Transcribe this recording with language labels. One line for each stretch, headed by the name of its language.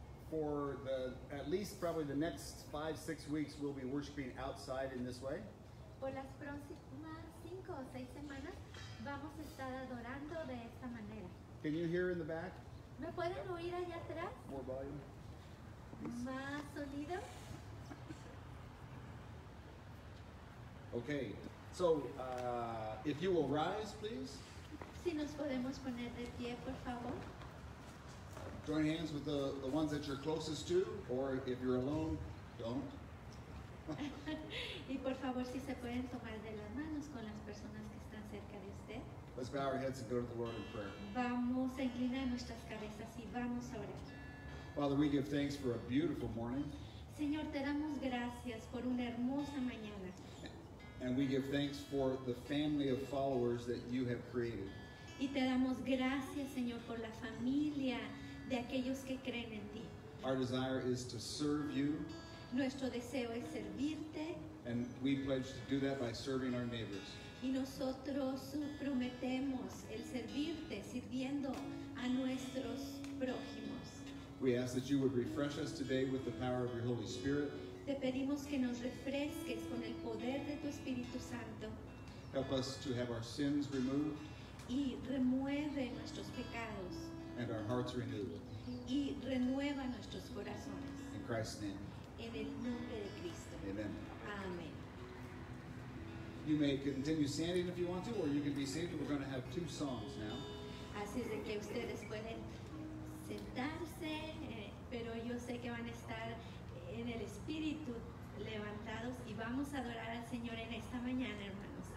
English: For the at least probably the next 5-6 weeks, we'll be worshiping outside in this way.
Spanish: Por las próximas 5 o 6 semanas vamos a estar adorando de esta manera.
English: Can you hear in the back?
Spanish: ¿Me pueden oír allá atrás?
English: More volume.
Spanish: Más sonido.
English: Okay, so if you will rise, please.
Spanish: Si nos podemos poner de pie, por favor.
English: Join hands with the ones that you're closest to, or if you're alone, don't.
Spanish: Y por favor, si se pueden tomar de las manos con las personas que están cerca de usted.
English: Let's bow our heads and go to the Lord in prayer.
Spanish: Vamos a inclinar nuestras cabezas y vamos a orar.
English: Father, we give thanks for a beautiful morning.
Spanish: Señor, te damos gracias por una hermosa mañana.
English: And we give thanks for the family of followers that you have created.
Spanish: Y te damos gracias, Señor, por la familia de aquellos que creen en ti.
English: Our desire is to serve you.
Spanish: Nuestro deseo es servirte.
English: And we pledge to do that by serving our neighbors.
Spanish: Y nosotros prometemos el servirte sirviendo a nuestros prójimos.
English: We ask that you would refresh us today with the power of your Holy Spirit.
Spanish: Te pedimos que nos refresques con el poder de tu Espíritu Santo.
English: Help us to have our sins removed.
Spanish: Y remueve nuestros pecados.
English: And our hearts renewed.
Spanish: Y renueva nuestros corazones.
English: In Christ's name.
Spanish: En el nombre de Cristo.
English: Amen.
Spanish: Amen.
English: You may continue standing if you want to, or you can be seated. We're going to have 2 songs now.
Spanish: Así es de que ustedes pueden sentarse, pero yo sé que van a estar en el espíritu levantados y vamos a adorar al Señor en esta mañana, hermanos.